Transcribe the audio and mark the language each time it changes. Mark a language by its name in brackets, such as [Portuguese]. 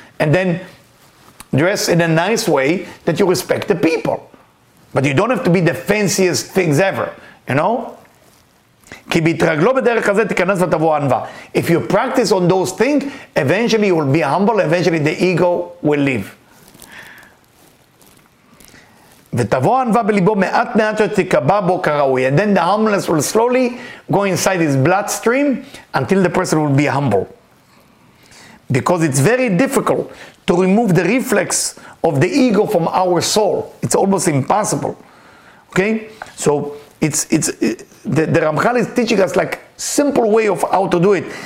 [English] And then dress in a nice way that you respect the people. But you don't have to be the fanciest things ever, you know. If you practice on those things, eventually you will be humble, eventually the ego will leave. [Hebrew] ותבוא הענווה בליבו מעט מעט שתקבע בו כראוי. [English] And then the humbleness will slowly go inside his bloodstream until the person will be humble. Because it's very difficult to remove the reflex of the ego from our soul. It's almost impossible. Okay? So, the Ramchal is teaching us like simple way of how to do it.